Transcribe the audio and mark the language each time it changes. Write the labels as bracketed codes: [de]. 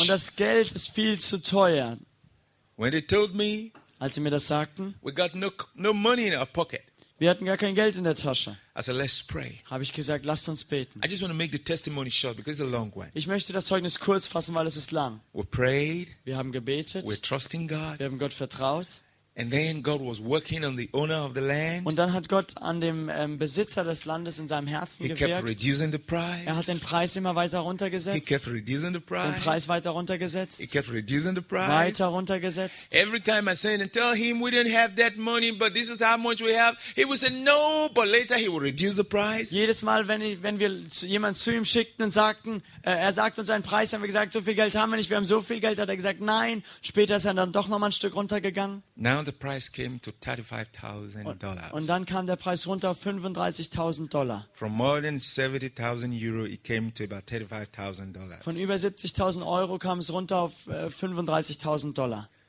[de] Und das Geld ist viel zu teuer. [en] When they told me, [de] als sie mir das sagten, [en] we got no money in our pocket. [de] Wir hatten gar kein Geld in der Tasche. [en] I said, let's pray. [de] Habe ich gesagt, lasst uns beten. [en] I just want to make the testimony short because it's a long one. [de] Ich möchte das Zeugnis kurz fassen, weil es ist lang. [en] We prayed. [de] Wir haben gebetet. [en] We're trusting God. [de] Wir haben Gott vertraut. [en] And then God was working on the owner of the land. [de] Und dann hat Gott an dem Besitzer des Landes in seinem Herzen gewirkt. [en] He kept reducing the price. [de] Er hat den Preis immer weiter runtergesetzt. [en] He kept reducing the price. [de] Den Preis weiter runtergesetzt. [en] He kept reducing the price. [de] Weiter runtergesetzt. [en] Every time I said and tell him we didn't have that money, but this is how much we have, he would say no, but later he would reduce the price. [de] Jedes Mal, wenn wir jemanden zu ihm schickten und sagten, er sagt uns einen Preis, haben wir gesagt, so viel Geld haben wir nicht, wir haben so viel Geld, hat er gesagt, nein. Später ist er dann doch nochmal ein Stück runtergegangen. [en] Now the price came to $35,000. [de] Und dann kam der Preis runter auf $35,000. [en] From more than 70,000 euro, it came to about $35,000. [de] Von über 70,000 Euro kam es runter auf $35,000.